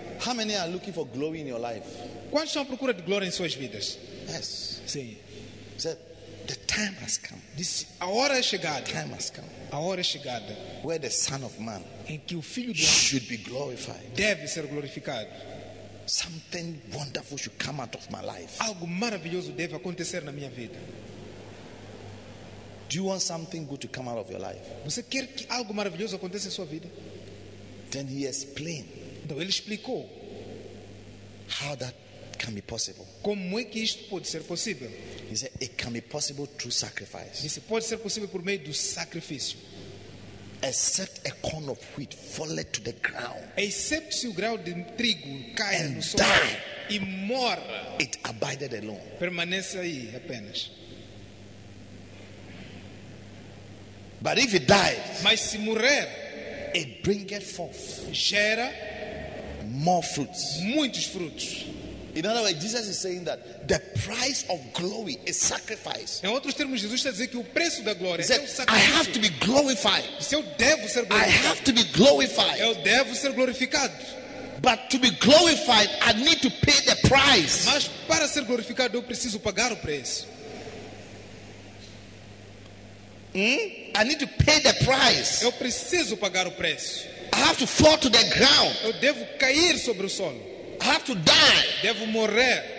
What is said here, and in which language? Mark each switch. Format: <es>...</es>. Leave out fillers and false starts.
<en>How many are looking for glory in your life?</en> <pt>Quantos estão à procura de glória em suas vidas?</pt> <en>Yes.</en> <pt>Sim.</pt> <en>Said, the time has come.</en> <pt>This, a hora é chegada.</pt> <en>The time has come.</en> <pt>A hora é chegada.</pt> <en>Where the Son of Man,</en> <pt>em que o Filho do</pt> <en>should be glorified.</en> <pt>Deve ser glorificado.</pt> <en>Something wonderful should come out of my life.</en> <pt>Algo maravilhoso deve acontecer na minha vida.</pt> <en>Do you want something good to come out of your life?</en> <pt>Você quer que algo maravilhoso aconteça em sua vida?</pt> <en>Then he explained.</en> <pt>Então ele explicou.</pt> <en>How that can be possible?</en> <pt>Como é que isto pode ser possível?</pt> <en>He said it can be possible through sacrifice.</en> <pt>Disse, pode ser possível por meio do sacrifício.</pt> <en>Except a corn of wheat falleth to the ground.</en> <pt>Except se o grão de trigo cai</pt> <en>and</en> <pt>no solo</pt> <en>die,</en> <pt>e morre,</pt> <en>it abided alone.</en> <pt>Permanece aí apenas.</pt> <en>But if it dies,</en> <pt>mas se morrer,</pt> <en>it bringeth forth,</en> <pt>gera</pt> <en>more fruits.</en> <pt>Muitos frutos.</pt> <en>In other words, Jesus is saying that the price of glory is sacrifice.</en> <pt>Em outros termos, Jesus está dizendo que o preço da glória é o sacrifício.</pt> <en>I have to be glorified.</en> <pt>Eu devo ser glorificado.</pt> <en>I have to be glorified.</en> <pt>Eu devo ser glorificado.</pt> <en>But to be glorified, I need to pay the price.</en> <pt>Mas para ser glorificado, eu preciso pagar o preço.</pt> <en>I need to pay the price.</en> <pt>Eu preciso pagar o preço.</pt> <en>I have to fall to the ground.</en> <pt>Eu devo cair sobre o solo.</pt> <en>I have to die.</en> <pt>Devo morrer.</pt>